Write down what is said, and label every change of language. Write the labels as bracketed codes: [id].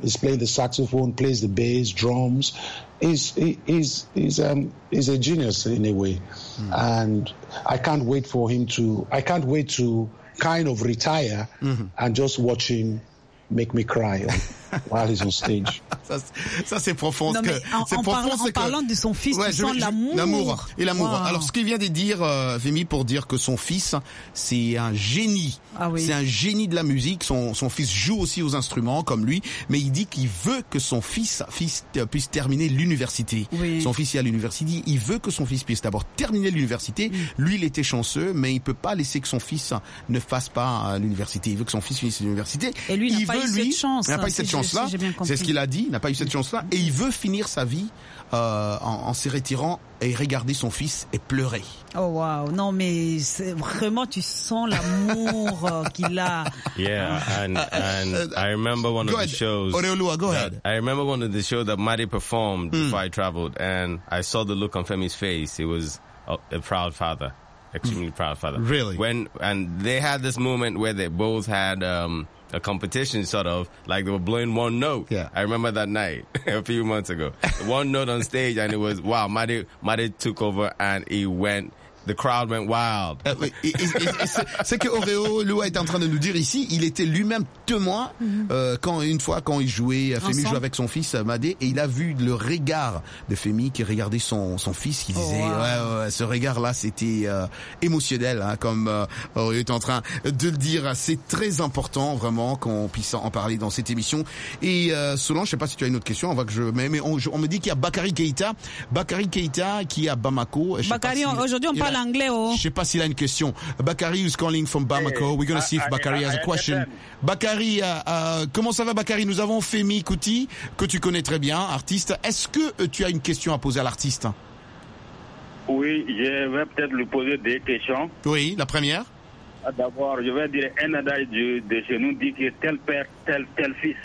[en] He's playing the saxophone, plays the bass, drums. He's a genius in a way. Mm-hmm. And I can't wait to kind of retire and just watch him make me cry while he's on stage. [fr] Ça, c'est profond. Non, c'est profond. En parlant de son fils, ouais, sens l'amour. L'amour. Et l'amour. Wow. Alors, ce qu'il vient de dire, Femi, pour dire que son fils, c'est un génie. Ah oui. C'est un génie de la musique. Son fils joue aussi aux instruments, comme lui. Mais il dit qu'il veut que son fils puisse terminer l'université. Oui. Son fils est à l'université. Il veut que son fils puisse d'abord terminer l'université. Mmh. Lui, il était chanceux, mais il peut pas laisser que son fils ne fasse pas l'université. Il veut que son fils finisse l'université. Et lui, il n'a pas eu cette chance-là. C'est ce qu'il a dit. Il n'a pas eu cette chance-là. Et il veut finir sa vie en se retirant et regarder son fils et pleurer. [en] Oh, wow. [fr] Non, mais c'est vraiment, tu sens l'amour qu'il a. [en] Yeah, and I remember one go of ahead. The shows. Oreolua, go ahead. I remember one of the shows that Madi performed before I traveled. And I saw the look on Femi's face. He was a proud father. Extremely proud father. Really? And they had this moment where they both had... a competition, sort of, like they were blowing one note. Yeah. I remember that night a few months ago. One note on stage, and it was, wow, Madi took over, and the crowd went wild. [fr] C'est que Oreo Lua est en train de nous dire ici, il était lui-même témoin quand il jouait, Femi jouait avec son fils Madi, et il a vu le regard de Femi qui regardait son fils, qui disait, ouais, ce regard-là, c'était émotionnel, hein, comme Oreo est en train de le dire. C'est très important, vraiment, qu'on puisse en parler dans cette émission. Et Solange, je ne sais pas si tu as une autre question, on me dit qu'il y a Bakary Keïta qui est à Bamako. Je sais pas s'il a une question. [en] Bakary is calling from Bamako. Hey, we're going to see if Bakary has a question. [fr] Bakary, comment ça va, Bakary? Nous avons Femi Kuti, que tu connais très bien, artiste. Est-ce que tu as une question à poser à l'artiste? Oui, je vais peut-être lui poser des questions. Oui, la première. D'abord, je vais dire un adage de chez nous dit que tel père, tel fils.